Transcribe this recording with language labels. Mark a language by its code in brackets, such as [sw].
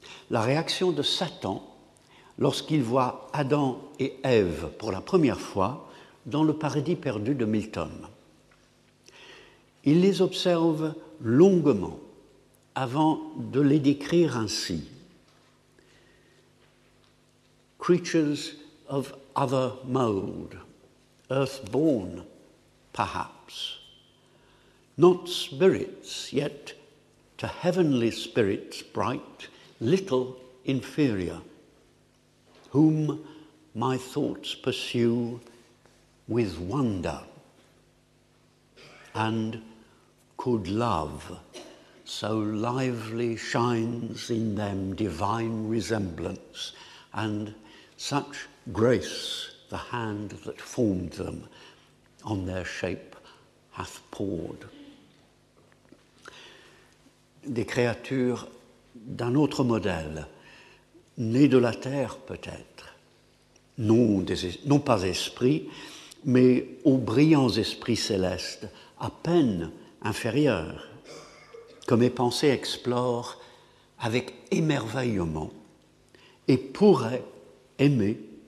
[fr] La réaction de Satan lorsqu'il voit Adam et Ève pour la première fois dans le paradis perdu de Milton. Il les observe longuement avant de les décrire ainsi. [en] Creatures of other mold, earth-born, perhaps. Not spirits, yet to heavenly spirits bright, little inferior, whom my thoughts pursue with wonder, and could love, so lively shines in them divine resemblance, and such grace the hand that formed them on their shape hath poured. [fr] Des créatures d'un autre modèle, nées de la terre peut-être, non pas esprit, mais aux brillants esprits célestes, à peine inférieurs, que mes pensées explorent avec émerveillement et pourraient aimer,